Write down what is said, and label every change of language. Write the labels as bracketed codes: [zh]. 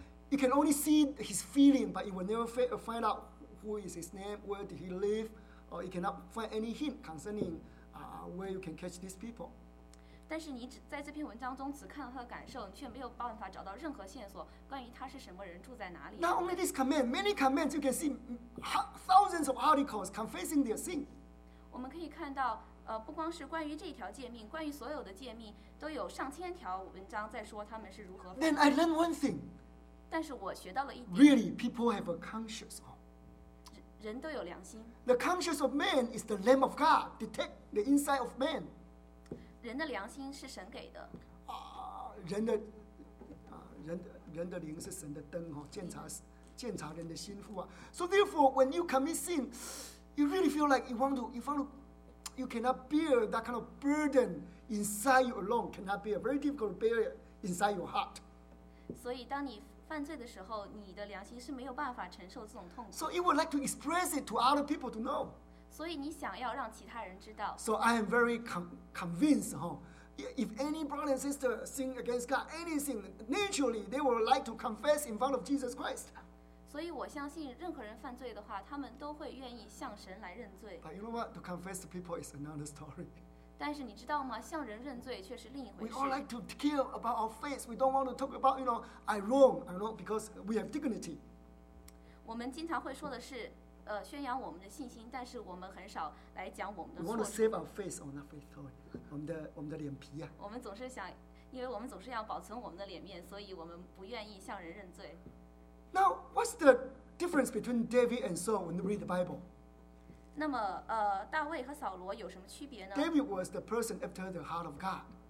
[en] You can only see his feeling, but you will never find out who is his name, where did he live, or you cannot find any hint concerning where you can catch these people. [zh] 但是你只在这篇文章中只看到他的感受，你却没有办法找到任何线索关于他是什么人，住在哪里。 [en] Not only this command, many commands, you can see thousands of articles confessing their sin. [zh] 我们可以看到，不光是关于这条诫命，关于所有的诫命都有上千条文章在说他们是如何。 [en] Then I learned one thing. [zh] 但是我学到了一点。 [en] Really, people have a conscience. [zh] 人都有良心。 [en] The conscience of man is the lamp of God, detect the inside of man. [zh] 人的良心是神给的。人的灵是神的灯，检查鉴察人的心腹啊。 [en] So therefore, when you commit sin, you really feel like you want to, you cannot bear that kind of burden inside you alone. Cannot bear, very difficult to bear it inside your heart. [zh] 所以当你犯罪的时候，你的良心是没有办法承受这种痛苦。 [en] So you would like to express it to other people to know. [zh] 所以你想要让其他人知道。 [en] So I am very convinced, huh? If any brother and sister sin against God, anything, naturally, they would like to confess in front of Jesus Christ. So I believe any person who sins, they would be willing to confess to God. But you know what? To confess to people is another story. But you know what? To confess to people is another story. We all like to care about our faith. We don't want to talk about, you know, I wrong, you know, because we have dignity. We often say is, [zh] 宣扬我们的信心，但是我们很少来讲我们的错。 [en] We want to save our face on our face, sorry. [zh] 我们的脸皮啊，我们总是想，因为我们总是要保存我们的脸面，所以我们不愿意向人认罪。 [en] Now, what's the difference between David and Saul when we read the Bible? [zh] 那么，大卫和扫罗有什么区别呢 [en] ？David was the person after the heart of God.